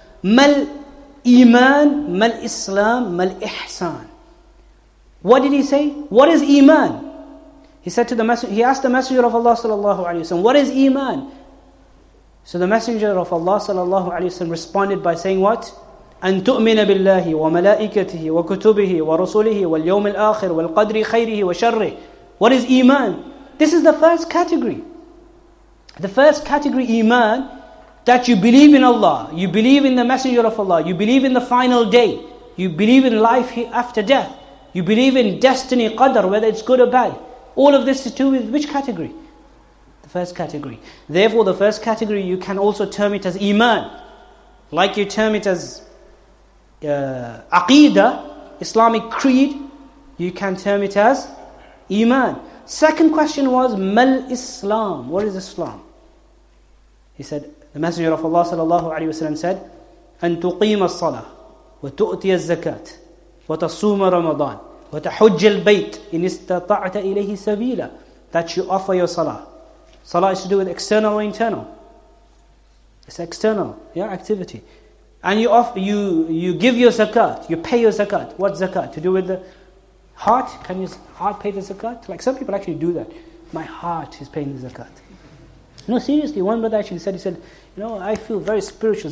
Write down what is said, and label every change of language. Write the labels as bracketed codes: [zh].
[ar] Mal iman, mal islam, mal ihsan. [en] What did he say? What is iman? He said to the Messenger, he asked the Messenger of Allah sallallahu alayhi wa sallam, what is iman? So the Messenger of Allah sallallahu alayhi wa sallam responded by saying what? [ar] أن تؤمن بالله وملائكته وكتبه ورسله واليوم الآخر والقدر خيره وشره. [en] What is iman? This is the first category. The first category, iman, that you believe in Allah, you believe in the Messenger of Allah, you believe in the final day, You believe in life after death. You believe in destiny, qadr, whether it's good or bad. All of this is to do with which category? The first category. Therefore, the first category, you can also term it as iman. Like you term it as aqeedah, Islamic creed, you can term it as iman. Second question was, mal Islam? What is Islam? He said, the Messenger of Allah sallallahu alayhi wa sallam said, [ar] أن تقيم الصلاة وتؤتي الزكاة وتصوم رمضان وتحج البيت إن استطعت إليه سبيلا. [en] That you offer your salah. Salah is to do with external or internal? It's external, yeah, activity. And you give your zakat, you pay your zakat. What zakat? To do with the heart? Can your heart pay the zakat? Like some people actually do that. My heart is paying the zakat. No, seriously, one brother actually said, he said, you know, I feel very spiritual.